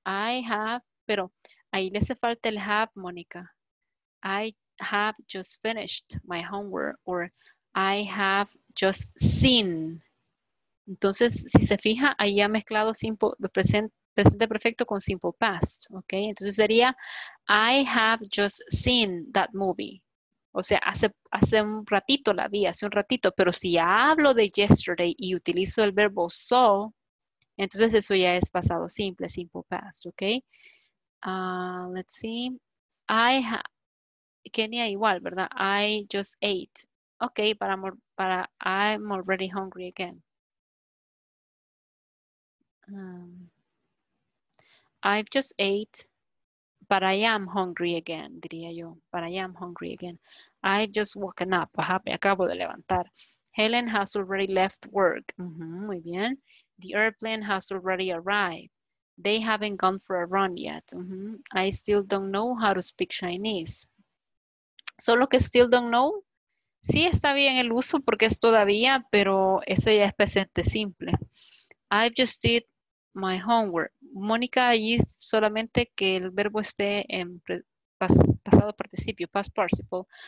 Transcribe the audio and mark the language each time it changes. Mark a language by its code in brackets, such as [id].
[en] I have, [es] pero ahí le hace falta el have, Mónica. [en] I have just finished my homework. Or I have just seen. [es] Entonces, si se fija, ahí ha mezclado simple, presente perfecto con simple past. [en] Okay? [es] Entonces sería, [en] I have just seen that movie. [es] O sea, hace un ratito la vi, hace un ratito. Pero si hablo de yesterday y utilizo el verbo saw, entonces eso ya es pasado simple, [en] simple past, [es] ¿ok? [en] Let's see. I have, Kenia [es] igual, ¿verdad? [en] I just ate. Ok, para I'm already hungry again. I've just ate, but I am hungry again, [es] diría yo. [en] But I am hungry again. I've just woken up. [es] Ajá, me acabo de levantar. [en] Helen has already left work. Uh-huh, [es] muy bien. [en] The airplane has already arrived. They haven't gone for a run yet. Uh-huh. I still don't know how to speak Chinese. [es] Solo que [en] still don't know. [es] Sí está bien el uso porque es todavía, pero eso ya es presente simple. [en] I've just did my homework. [es] Mónica, allí solamente que el verbo esté en pasado participio, [en] past participle.